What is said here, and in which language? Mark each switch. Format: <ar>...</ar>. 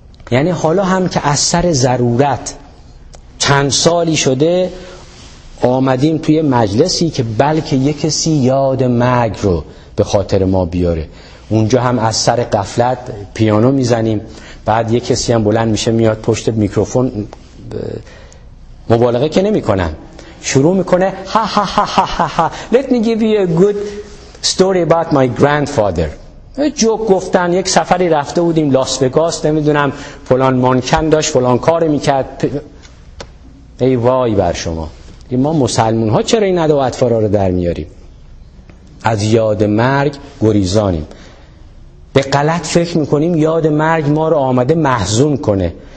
<fa>یعنی حالا هم که از سر ضرورت چند سالی شده آمدیم توی مجلسی که بلکه یک کسی یاد مرگ رو به خاطر ما بیاره، اونجا هم از سر غفلت پیانو میزنیم، بعد یک کسی هم بلند میشه میاد پشت میکروفون، مبالغه که نمی کنن، شروع میکنه ها ها ها ها ها ها.</fa> <en>Let me give you a good story about my grandfather.</en> <fa>جوک گفتن، یک سفری رفته بودیم لاس وگاس، نمیدونم فلان مانکن داشت فلان کار میکرد. ای وای بر شما، ما مسلمون ها چرا این ادا و اطفارا رو در میاریم؟ از یاد مرگ گریزانیم، به غلط فکر میکنیم یاد مرگ ما رو آمده محزون کنه.</fa>